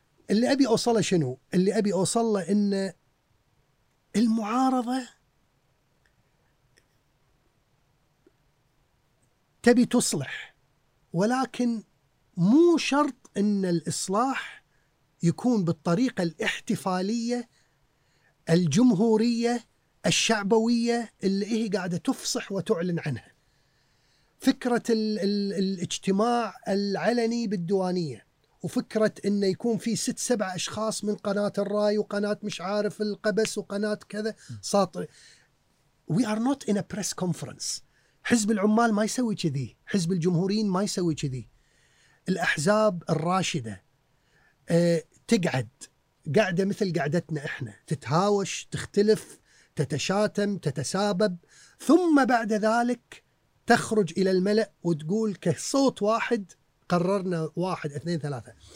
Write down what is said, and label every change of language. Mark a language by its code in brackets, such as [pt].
[ar] اللي أبي أوصله شنو؟ اللي أبي أوصله إن المعارضة تبي تصلح، ولكن مو شرط إن الإصلاح يكون بالطريقة الاحتفالية الجمهورية الشعبوية اللي هي قاعدة تفصح وتعلن عنها. فكرة الاجتماع العلني بالديوانية، وفكرة إنه يكون في 6-7 أشخاص من قناة الرأي وقناة مش عارف القبس وقناة كذا ساطر. [en] We are not in a press conference. [ar] حزب العمال ما يسوي كذي، حزب الجمهوريين ما يسوي كذي. الأحزاب الراشدة تقعد قاعدة مثل قاعدتنا إحنا، تتهاوش، تختلف، تتشاتم تتسابب، ثم بعد ذلك تخرج إلى الملأ وتقول كصوت واحد قررنا 1 2 3.